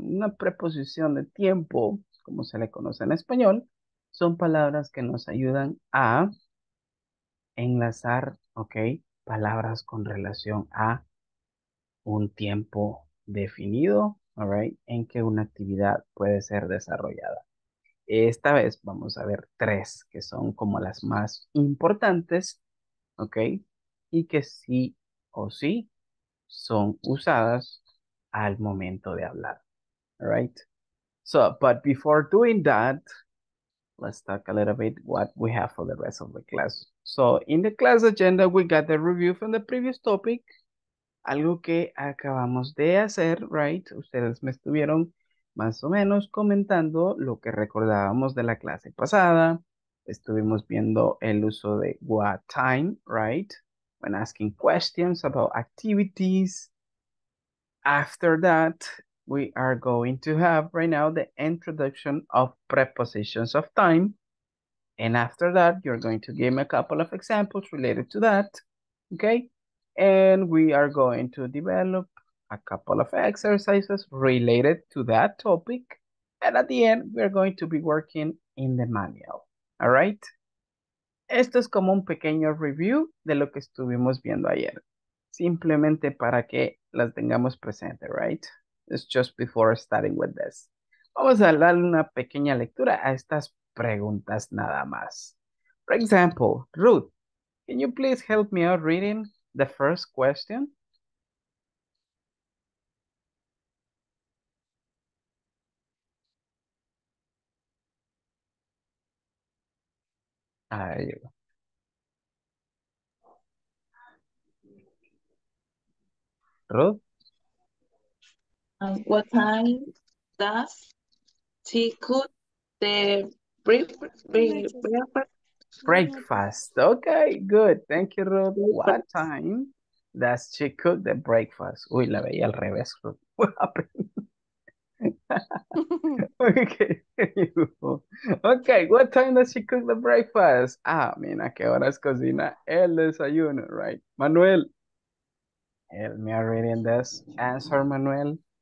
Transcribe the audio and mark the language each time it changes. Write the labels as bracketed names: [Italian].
[Spanish] Una preposición de tiempo, como se le conoce en español, son palabras que nos ayudan a enlazar, okay, palabras con relación a un tiempo definido, all right, en que una actividad puede ser desarrollada. Esta vez vamos a ver tres que son como las más importantes, ¿ok? Y que sí o sí son usadas al momento de hablar, ¿right? [English] So, but before doing that, let's talk a little bit what we have for the rest of the class. So, in the class agenda, we got the review from the previous topic, [Spanish] algo que acabamos de hacer, [English] ¿right? [Spanish] Ustedes me estuvieron más o menos comentando lo que recordábamos de la clase pasada. Estuvimos viendo el uso de what time, right? [English] When asking questions about activities. After that, we are going to have right now the introduction of prepositions of time. And after that, you're going to give me a couple of examples related to that, okay? And we are going to develop a couple of exercises related to that topic. And at the end, we're going to be working in the manual. All right. [Spanish] Esto es como un pequeño review de lo que estuvimos viendo ayer. Simplemente para que las tengamos presente, right? [English] It's just before starting with this. [Spanish] Vamos a darle una pequeña lectura a estas preguntas nada más. [English] For example, Ruth, can you please help me out reading the first question? Ruth? What time does she cook the breakfast? Okay, good. Thank you, Ruth. What time does she cook the breakfast? [Spanish] Uy, la veía al revés, Ruth. [English] What happened? Okay. Okay, what time does she cook the breakfast? [Spanish] Ah, mira, ¿qué horas cocina el desayuno, right? [English] Manuel, help me out reading this answer, Manuel.